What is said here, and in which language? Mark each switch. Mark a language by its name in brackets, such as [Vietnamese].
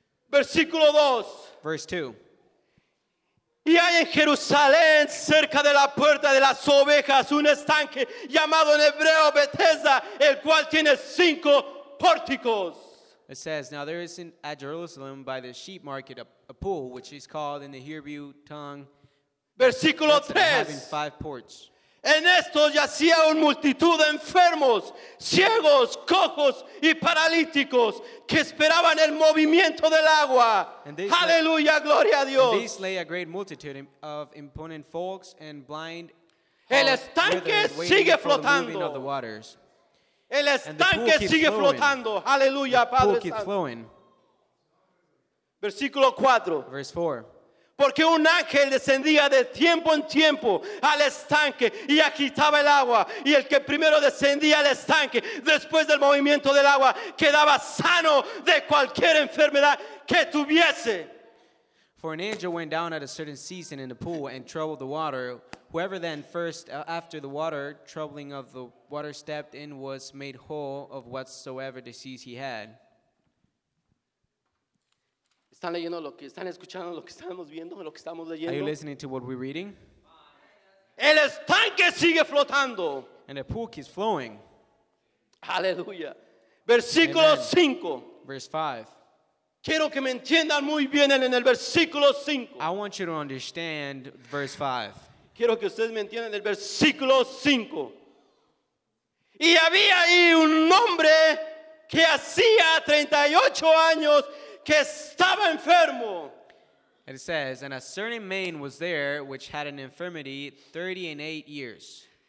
[Spanish] Versículo 2. [English] Verse 2. [Spanish] Y hay en Jerusalén, cerca de la puerta de las ovejas, un estanque llamado en hebreo Bethesda, el cual tiene cinco pórticos. [English] It says, now there is in at Jerusalem by the sheep market a pool which is called in the Hebrew tongue. [Spanish] Versículo 3. [English] Having five ports. [Spanish] En estos yacía un multitud de enfermos, ciegos, cojos y paralíticos que esperaban el movimiento del agua. Aleluya, gloria a Dios. [English] And these lay a great multitude of impotent folks and blind. [Spanish] El estanque sigue flotando. El estanque sigue [English] flowing. [Spanish] Flotando. Aleluya, Padre Santo. Versículo 4. Verse [English] 4. [Spanish] Porque un ángel descendía de tiempo en tiempo al estanque y agitaba el agua. Y el que primero descendía al estanque, después del movimiento del agua, quedaba sano de cualquier enfermedad que tuviese. [English] For an angel went down at a certain season in the pool and troubled the water. Whoever then first after the water, troubling of the water stepped in was made whole of whatsoever disease he had. [Spanish] ¿Están leyendo lo que están escuchando, lo que estamos viendo, lo que estamos leyendo? [English] Are you listening to what we're reading? [Spanish] El estanque sigue flotando. [English] And the pool keeps flowing. [Spanish] Aleluya. Versículo 5. [English] Verse 5. [Spanish] Quiero que me entiendan muy bien en el versículo 5. [English] I want you to understand verse 5. [Spanish] Quiero que ustedes me entiendan en el versículo 5. Y había ahí un hombre que hacía 38 años que estaba enfermo. [English] It says, and a certain man was there which had an infirmity 38 years.